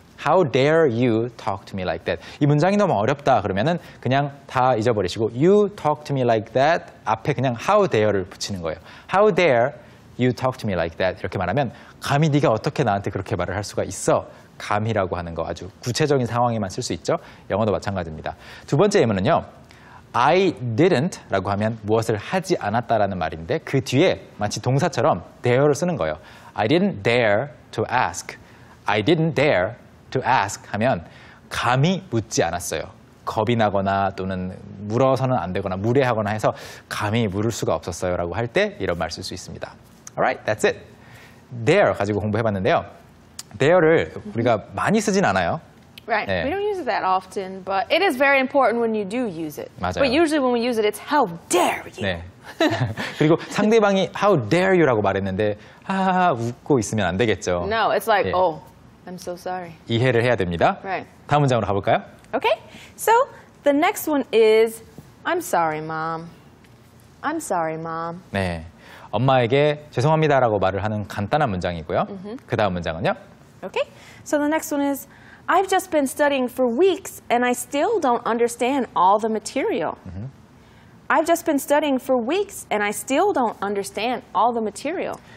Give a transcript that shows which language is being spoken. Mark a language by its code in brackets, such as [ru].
[en] How dare you talk to me like that? [ko] 이 문장이 너무 어렵다 그러면은 그냥 다 잊어버리시고 [en] you talk to me like that [ko] 앞에 그냥 how dare를 붙이는 거예요. [en] How dare you talk to me like that? [ko] 이렇게 말하면 감히 네가 어떻게 나한테 그렇게 말을 할 수가 있어? 감히라고 하는 거 아주 구체적인 상황에만 쓸 수 있죠. 영어도 마찬가지입니다. 두 번째 예문은요. I didn't 라고 하면 무엇을 하지 않았다라는 말인데 그 뒤에 마치 동사처럼 dare를 쓰는 거예요. [en] I didn't dare to ask. I didn't dare to ask [ko] 하면 감히 묻지 않았어요. 겁이 나거나 또는 물어서는 안 되거나 무례하거나 해서 감히 물을 수가 없었어요 라고 할 때 이런 말 쓸 수 있습니다. Alright, that's it. dare 가지고 공부해봤는데요. dare를 우리가 많이 쓰진 않아요. [en] Right. 네. We don't use it that often, but it is very important when you do use it. [ko] 맞아요. [en] But usually when we use it, it's how dare you. [ko] 네. 그리고 상대방이 [en] how dare you [ko] 라고 말했는데 하하하 웃고 있으면 안 되겠죠. [en] No, it's like, 네. oh, I'm so sorry. [ko] 이해를 해야 됩니다. [en] Right. [ko] 다음 문장으로 가볼까요? [en] Okay. So the next one is, I'm sorry, mom. I'm sorry, mom. [ko] 네. 엄마에게 죄송합니다 라고 말을 하는 간단한 문장이고요. Mm-hmm. 그 다음 문장은요? [en] Okay. So the next one is, I've just been studying for weeks and I still don't understand all the material. Mm-hmm. I've just been studying for weeks and I still don't understand all the material.